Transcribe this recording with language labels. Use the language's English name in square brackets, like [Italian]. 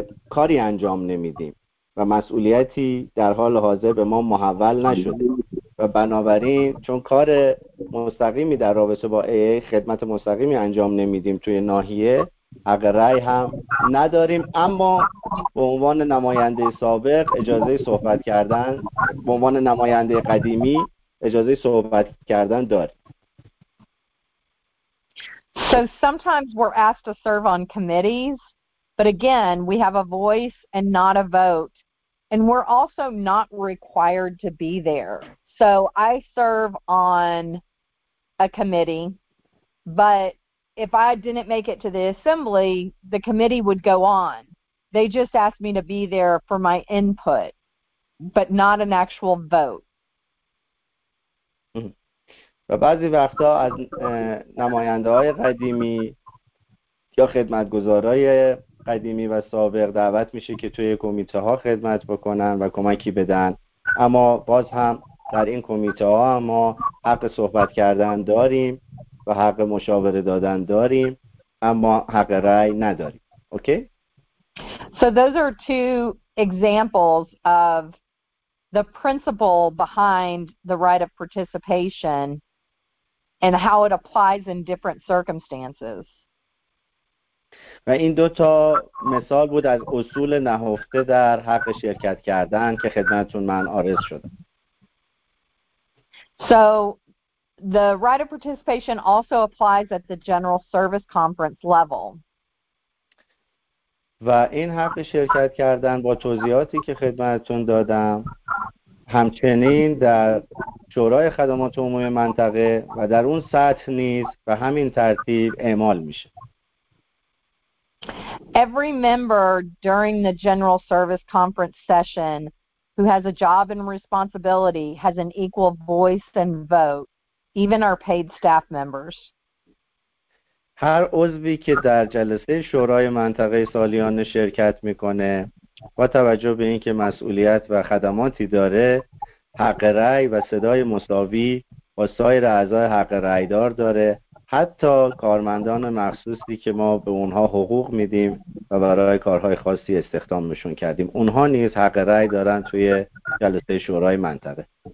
[Persian] کاری انجام نمیدیم و مسئولیتی در حال حاضر به ما محول نشده و بنابراین چون کار مستقیمی در رابطه با AA خدمت مستقیمی انجام نمیدیم توی ناحیه حق رأی هم نداریم، اما به عنوان نماینده سابق اجازه صحبت کردن، به عنوان نماینده قدیمی اجازه صحبت کردن داریم. [English] So sometimes we're asked to serve on committees, but again we have a voice and not a vote, and we're also not required to be there. So I serve on a committee, but if I didn't make it to the assembly, the committee would go on. They just asked me to be there for my input, but not an actual vote. [Persian] و بعضی وقتا از نماینده های قدیمی یا خدمتگزارای قدیمی و سابق دعوت میشه که توی کمیته ها خدمت بکنن و کمکی بدن، اما باز هم در این کمیته ها ما حق صحبت کردن داریم و حق مشاوره دادن داریم، اما حق رأی نداریم. [English] Okay? So those are two examples of the principle behind the right of participation and how it applies in different circumstances. [Persian] و این دو تا مثال بود از اصول نهفته در حق شرکت کردن که خدمتتون من عرض شد. [English] So the right of participation also applies at the general service conference level. [Persian] و این حق شرکت کردن با توضیحاتی که خدمتتون دادم همچنین در شورای خدمات عمومی منطقه و در اون سطح نیز و همین ترتیب اعمال میشه. [English] Every member during the general service conference session who has a job and responsibility has an equal voice and vote, even our paid staff members. [Persian] هر عضوی که در جلسه شورای منطقه سالیانه شرکت میکنه با توجه به اینکه مسئولیت و خدماتی داره حق رأی و صدای مساوی با سایر اعضای حق رأی دار داره، حتی کارمندان مخصوصی که ما به اونها حقوق میدیم و برای کارهای خاصی استخدامشون کردیم، اونها نیز حق رأی دارن توی جلسه شورای منطقه.